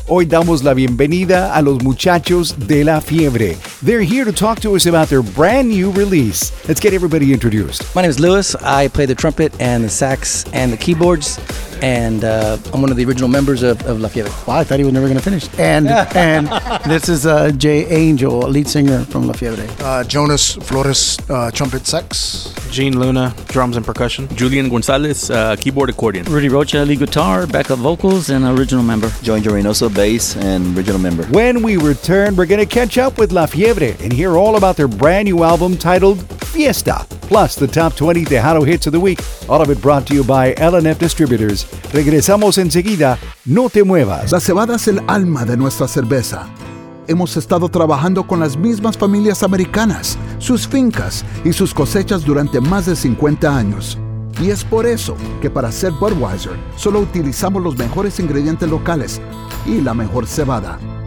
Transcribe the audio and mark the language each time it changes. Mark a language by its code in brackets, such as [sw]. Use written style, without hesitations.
[es] Hoy damos la bienvenida a los muchachos de La Fiebre. [en] They're here to talk to us about their brand new release. Let's get everybody introduced. My name is Lewis. I play the trumpet and the sax and the keyboards. And I'm one of the original members of La Fiebre. Wow, I thought he was never going to finish. And and this is Jay Angel, lead singer from La Fiebre. Jonas Flores, trumpet sax. Gene Luna, drums and percussion. Julian Gonzalez, keyboard accordion. Rudy Rocha, lead guitar, backup vocals, and original member. Joey Reynoso, bass, and original member. When we return, we're going to catch up with La Fiebre and hear all about their brand new album titled Fiesta. Plus, the top 20 Tejano hits of the week. All of it brought to you by LNF Distributors. [es] Regresamos enseguida. No te muevas. La cebada es el alma de nuestra cerveza. Hemos estado trabajando con las mismas familias americanas, sus fincas y sus cosechas durante más de 50 años. Y es por eso que para hacer Budweiser, solo utilizamos los mejores ingredientes locales y la mejor cebada.